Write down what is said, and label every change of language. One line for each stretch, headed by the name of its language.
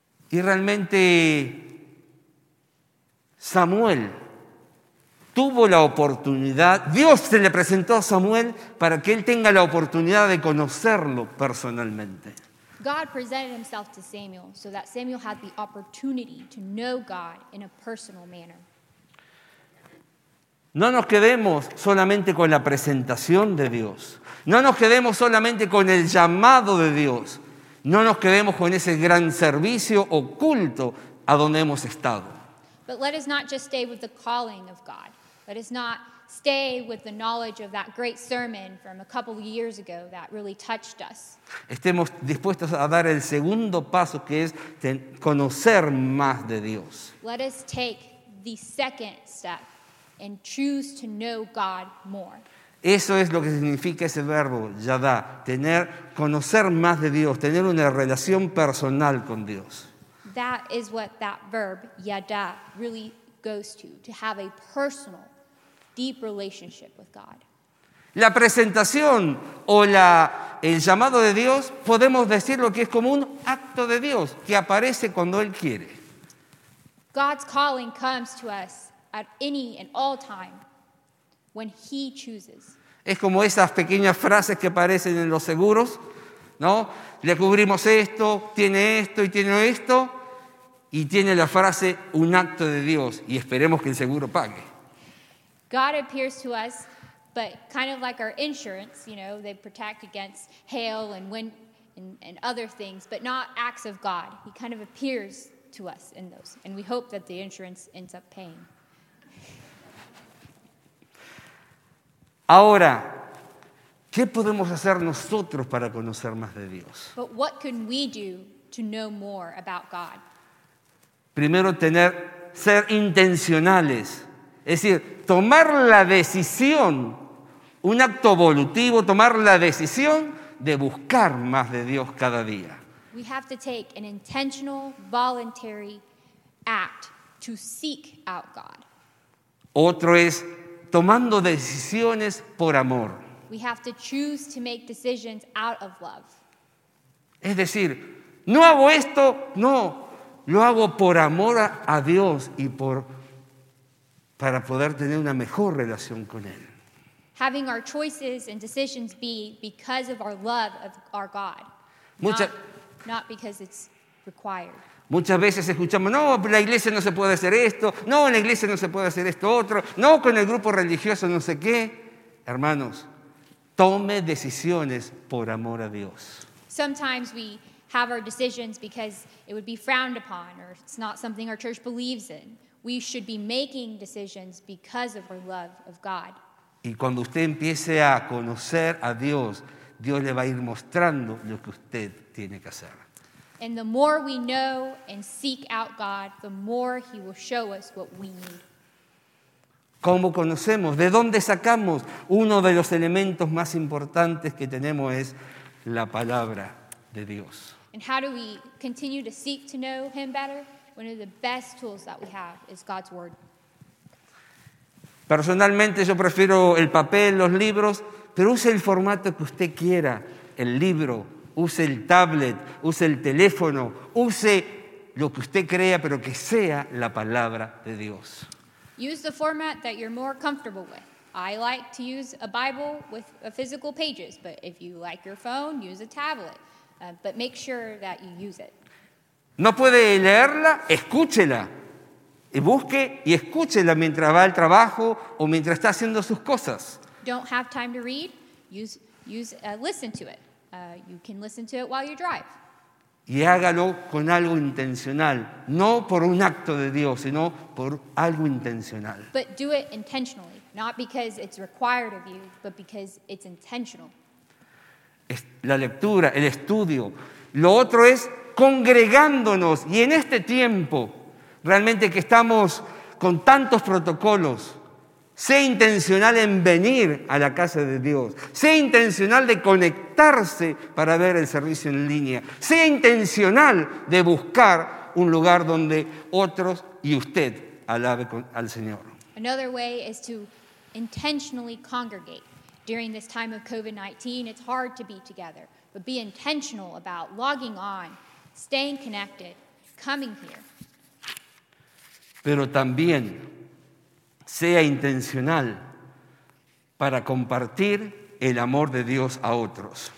Spanish: Y realmente Samuel tuvo la oportunidad, Dios se le presentó a Samuel para que él tenga la oportunidad de conocerlo personalmente.
English: God presented himself to Samuel so that Samuel had the opportunity to know God in a personal manner.
Spanish: No nos quedemos solamente con la presentación de Dios. No nos quedemos solamente con el llamado de Dios. No nos quedemos con ese gran servicio oculto a donde hemos estado.
English: But let us not just stay with the calling of God. Let us not stay with the knowledge of that great sermon from a couple of years ago that really touched us.
Spanish: Estemos dispuestos a dar el segundo paso, que es conocer más de Dios.
English: Let us take the second step and choose to know God more.
Spanish: Eso es lo que significa ese verbo, yada, tener, conocer más de Dios, tener una relación personal con Dios.
English: That is what that verb, yada, really goes to have a personal, deep relationship with God.
Spanish: La presentación o el llamado de Dios, podemos decirlo que es como un acto de Dios que aparece cuando Él quiere.
English: God's calling comes to us at any and all time when He chooses.
Spanish: Es como esas pequeñas frases que aparecen en los seguros, ¿no? Le cubrimos esto, tiene esto y tiene esto, y tiene la frase un acto de Dios y esperemos que el seguro pague.
English: God appears to us, but kind of like our insurance, you know, they protect against hail and wind and other things, but not acts of God. He kind of appears to us in those, and we hope that the insurance ends up paying.
Spanish: Ahora, ¿qué podemos hacer nosotros para conocer más de Dios?
English: But what can we do to know more about God?
Spanish: Primero, ser intencionales. Es decir, tomar la decisión, un acto volitivo, tomar la decisión de buscar más de Dios cada día.
English: We have to take an intentional, voluntary act to seek out God.
Spanish: Otro es tomando decisiones por amor.
English: We have to choose to make decisions out of love.
Spanish: Es decir, no hago esto, no, lo hago por amor a Dios y para poder tener una mejor relación con Él.
English: Having our choices and decisions be because of our love of our God, not because it's required.
Spanish: Muchas veces escuchamos, no, la iglesia no se puede hacer esto, no, la iglesia no se puede hacer esto otro, no, con el grupo religioso no sé qué. Hermanos, tome decisiones por amor a Dios.
English: Sometimes we have our decisions because it would be frowned upon or it's not something our church believes in. We should be making decisions because of our love of God.
Spanish: Y cuando usted empiece a conocer a Dios, Dios le va a ir mostrando lo que usted tiene que hacer.
English: And the more we know and seek out God, the more He will show us what we need.
Spanish: ¿Cómo conocemos? ¿De dónde sacamos? Uno de los elementos más importantes que tenemos es la palabra de Dios.
English: And how do we continue to seek to know Him better? One of the best tools that we have is God's Word.
Spanish: Personalmente, yo prefiero el papel, los libros, pero use el formato que usted quiera, el libro. Use el tablet, use el teléfono, use lo que usted crea, pero que sea la palabra de Dios.
English: Use the format that you're more comfortable with. I like to use a Bible with a physical pages, but if you like your phone, use a tablet. But make sure that you use it.
Spanish: No puede leerla, escúchela. Y busque y escúchela mientras va al trabajo o mientras está haciendo sus cosas.
English: Don't have time to read, listen to it. You can listen to it while you drive.
Spanish: Y hágalo con algo intencional, no por un acto de Dios, sino por algo intencional.
English: But do it intentionally, not because it's required of you, but because it's intentional.
Spanish: La lectura, el estudio. Lo otro es congregándonos y en este tiempo, realmente que estamos con tantos protocolos, sé intencional en venir a la casa de Dios. Sé intencional de conectarse para ver el servicio en línea. Sé intencional de buscar un lugar donde otros y usted alabe al Señor.
English: Another way is to intentionally congregate. During this time of COVID-19, it's hard to be together. But be intentional about logging on, staying connected, coming here.
Spanish: Pero también sea intencional para compartir el amor de Dios a otros.